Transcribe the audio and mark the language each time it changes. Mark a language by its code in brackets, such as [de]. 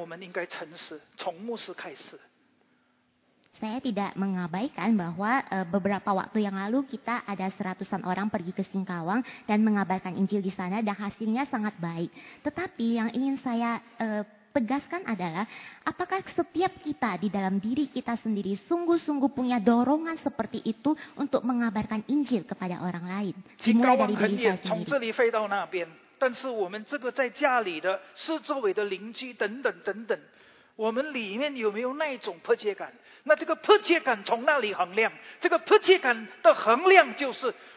[zh] 我不否认，刚刚我们有100多个人去新高望布道，有很好的果效，900多少人信主了。但是我很想很诚实的问问我们每一个自己，我们里面这不是有那一种的迫切感在推动我们？如果没有，我想我们应该诚实，从牧师开始。 [id] Saya tidak mengabaikan bahwa beberapa waktu yang lalu kita ada 100-an orang pergi ke Singkawang dan mengabarkan Injil di sana dan hasilnya sangat baik. Tetapi yang ingin saya tegaskan adalah apakah setiap kita di dalam diri kita sendiri sungguh-sungguh punya dorongan seperti itu untuk mengabarkan Injil kepada orang lain. Dimulai dari diri saya sendiri. [zh] Singkawang很远，从这里飞到那边，但是我们这个在家里的，四周围的邻居等等等等。我们里面有没有那一种迫切感？那这个迫切感从那里衡量？这个迫切感的衡量就是